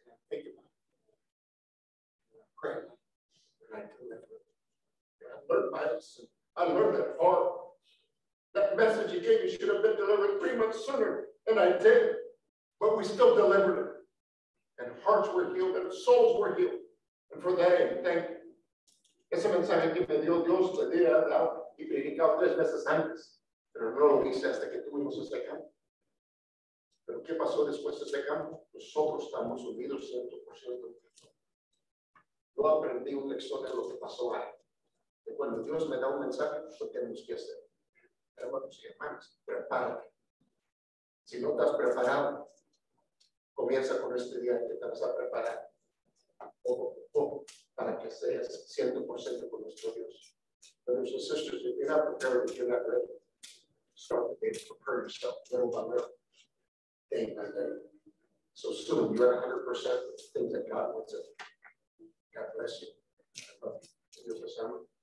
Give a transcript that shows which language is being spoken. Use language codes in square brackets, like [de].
[en] Think about it. I pray. And I deliver it. And I learned my lesson. I learned that far. That message he gave me should have been delivered 3 months sooner, and I did. But we still delivered it. And hearts were healed and souls were healed. And for that, I thank you. [es] Es el mensaje que me dio Dios el día de hoy y predicado tres meses antes. Pero no lo hice hasta que tuvimos este campo. Pero ¿qué pasó después de este campo? Nosotros estamos unidos 100%. Yo aprendí una lección de lo que pasó ahí. Que cuando Dios me da un mensaje, lo tenemos que hacer. Hermanos y hermanas, prepárate. Si no estás preparado, comienza con este día que te vas a preparar poco a poco para que seas 100% con nuestro Dios. [en] Brothers and sisters, if you're not prepared, if you're not ready, start the day to prepare yourself little by little, day by day. So soon you're 100% of the things that God wants of you. God bless you. I love you. [es] Dios les ama.